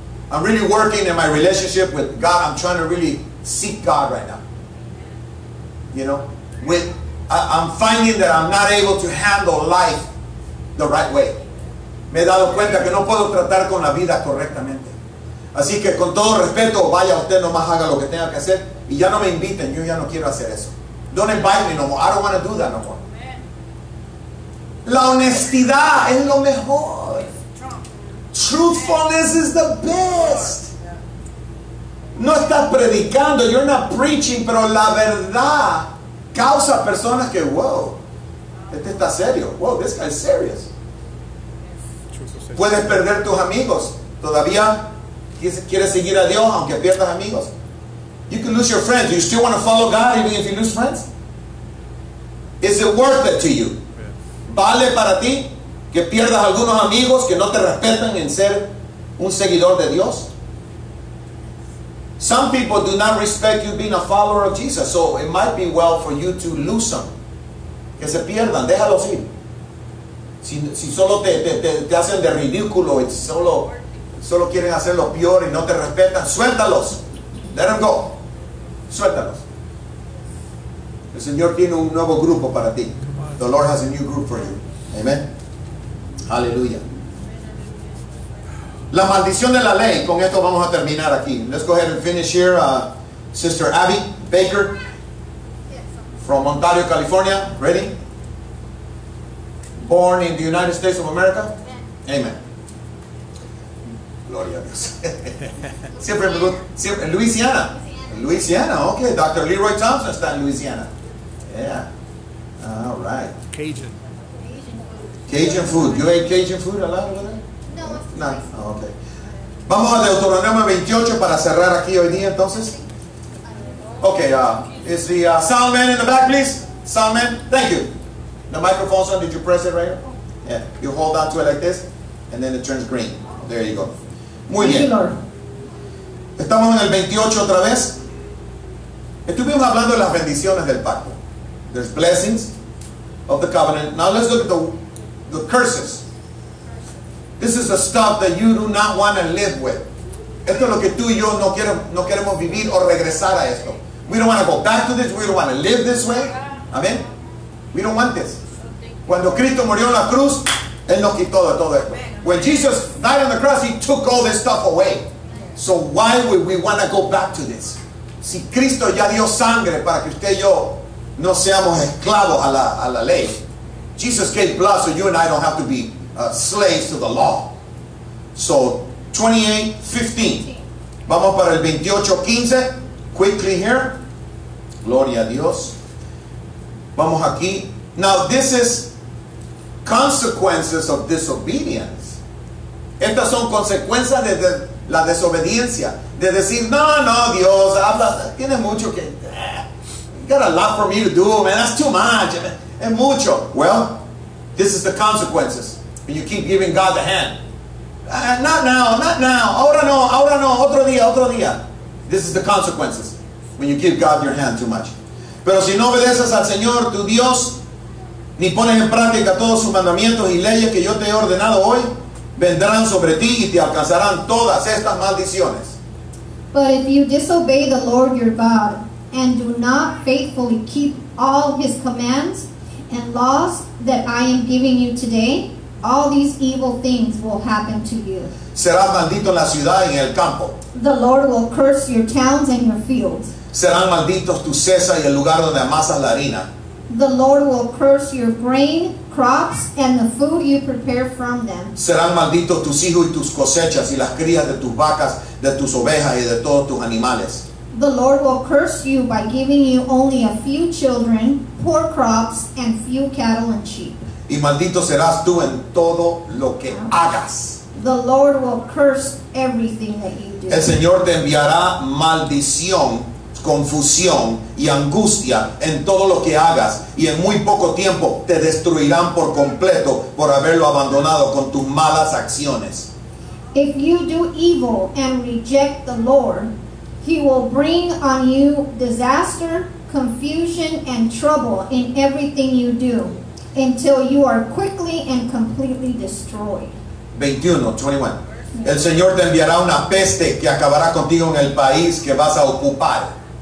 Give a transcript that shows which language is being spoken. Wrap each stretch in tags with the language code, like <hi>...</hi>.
<en>I'm really working in my relationship with God. I'm trying to really seek God right now. You know, I'm finding that I'm not able to handle life the right way.</en> <es>Me he dado cuenta que no puedo tratar con la vida correctamente. Así que con todo respeto, vaya usted nomás, haga lo que tenga que hacer. Y ya no me inviten, yo ya no quiero hacer eso.</es> <en>Don't invite me no more. I don't want to do that no more.</en> <es>La honestidad es lo mejor.</es> <en>Truthfulness is the best.</en> <es>No estás predicando,</es> <en>you're not preaching,</en> <es>pero la verdad causa a personas que, wow, este está serio.</es> <en>Wow, this guy is serious.</en> <es>Puedes perder tus amigos. Todavía quieres seguir a Dios aunque pierdas amigos.</es> <en>You can lose your friends. You still want to follow God even if you lose friends? Is it worth it to you?</en> <es>¿Vale para ti que pierdas algunos amigos que no te respetan en ser un seguidor de Dios?</es> <en>Some people do not respect you being a follower of Jesus, so it might be well for you to lose some.</en> <es>Que se pierdan, déjalos ir. Si solo te hacen de ridículo y solo quieren hacer lo peor y no te respetan, suéltalos.</es> <en>Let them go.</en> <es>Suéltalos. El Señor tiene un nuevo grupo para ti.</es> <en>The Lord has a new group for you.</en> <es>Amen. Aleluya. La maldición de la ley. Con esto vamos a terminar aquí.</es> <en>Let's go ahead and finish here. Sister Abby Baker. From Ontario, California. Ready? Born in the United States of America. Amen.</en> <es>Gloria a Dios. Siempre me gusta. Louisiana. Louisiana. Ok. Dr.</es> <en>Leroy Thompson</en> <es>está en</es> <en>Louisiana. Yeah. All right. Cajun food. You ate Cajun food a lot over there? No. Oh, okay.</en> <es>Vamos a Deuteronomio 28 para cerrar aquí hoy día entonces.</es> <en>Okay, is the sound man in the back, please? Sound man, thank you. The microphone's on, did you press it right here? Yeah, you hold on to it like this. And then it turns green. There you go.</en> <es>Muy bien. Estamos en el 28 otra vez. Estuvimos hablando de las bendiciones del pacto.</es> <en>There's blessings of the covenant. Now let's look at the curses. This is the stuff that you do not want to live with.</en> <es>Esto es lo que tú y yo no queremos vivir o regresar a esto.</es> <en>We don't want to go back to this. We don't want to live this way. Amen. We don't want this.</en> <es>Cuando Cristo murió en la cruz, Él nos quitó de todo esto.</es> <en>When Jesus died on the cross, He took all this stuff away. So why would we want to go back to this?</en> <es>Si Cristo ya dio sangre para que usted y yo no seamos esclavos a la ley.</es> <en>Jesus gave blood so you and I don't have to be slaves to the law.</en> <es>So 28:15. Vamos para el 28:15.</es> <en>Quickly here.</en> <es>Gloria a Dios. Vamos aquí.</es> <en>Now this is consequences of disobedience.</en> <es>Estas son consecuencias de la desobediencia. De decir, no, no, Dios, habla, tiene mucho que...</es> <en>You got a lot for me to do, man, that's too much.</en> <es>Es mucho.</es> <en>Well, this is the consequences. And you keep giving God the hand. Not now, not now.</en> <es>Ahora no, otro día, otro día.</es> <en>This is the consequences. When you give God your hand too much.</en> <es>Pero si no obedeces al Señor, tu Dios, ni pones en práctica todos sus mandamientos y leyes que yo te he ordenado hoy, vendrán sobre ti y te alcanzarán todas estas maldiciones.</es> <en>But if you disobey the Lord your God and do not faithfully keep all His commands and laws that I am giving you today, all these evil things will happen to you.</en> <es>Serás maldito en la ciudad y en el campo.</es> <en>The Lord will curse your towns and your fields.</en> <es>Serán malditos tu cesa y el lugar donde amasas la harina.</es> <en>The Lord will curse your grain, crops, and the food you prepare from them.</en> <es>Serán malditos tus hijos y tus cosechas y las crías de tus vacas, de tus ovejas y de todos tus animales.</es> <en>The Lord will curse you by giving you only a few children, poor crops, and few cattle and sheep.</en> <es>Y maldito serás tú en todo lo que hagas.</es> <en>The Lord will curse everything that you do.</en> <es>El Señor te enviará maldición, confusión y angustia en todo lo que hagas, y en muy poco tiempo te destruirán por completo por haberlo abandonado con tus malas acciones.</es> <en>If you do evil and reject the Lord, He will bring on you disaster, confusion, and trouble in everything you do until you are quickly and completely destroyed. 21:21.</en> <es>El Señor te enviará una peste que acabará contigo en el país que vas a ocupar.</es>